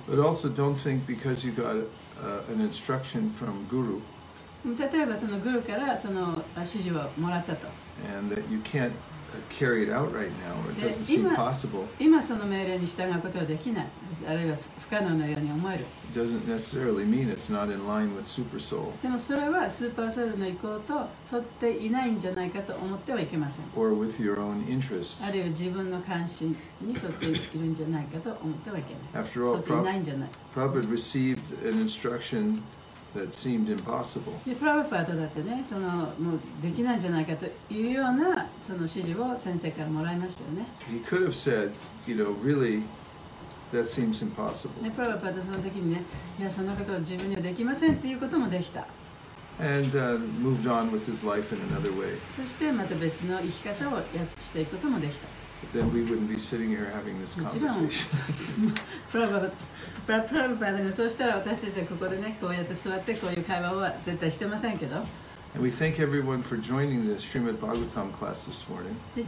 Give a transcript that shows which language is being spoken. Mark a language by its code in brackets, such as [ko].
[en] But also don't think because you got an instruction from guru [ja] 例えばそのグルからその指示をもらったと [en] And that you can't carry it out right now or it doesn't seem possible [ja] 今その命令に従うことはできないあるいは不可能のように思える [en] doesn't necessarily mean it's not in line with super soul [ja] でもそれはスーパーソウルの意向と沿っていないんじゃないかと思ってはいけません [en] or with your own interest [ja] あるいは自分の関心に沿っているんじゃないかと思ってはいけない [en] after all [ja] 沿っていないんじゃない [en] Prabhupada received an instructionThat seemed impossible. [ja] でプラヴァパーダだってねそのもうできないんじゃないかというようなその指示を先生からもらいましたよね。 [en] He could have said, you know, really, that seems impossible. [ja] でプラヴァパーダその時にね、いやそんなことは自分にはできませんっていうこともできた。 [en] And moved on with his life in another way. [ja] そしてまた別の生き方をしていくこともできた。 [en] Then we wouldn't be sitting here having this conversation. [ja] プラヴァパーダがそうしたら私たちはここでね、こうやって座ってこういう会話は絶対してませんけど。 [en] And we thank everyone for joining this Srimad Bhagavatam class this morning.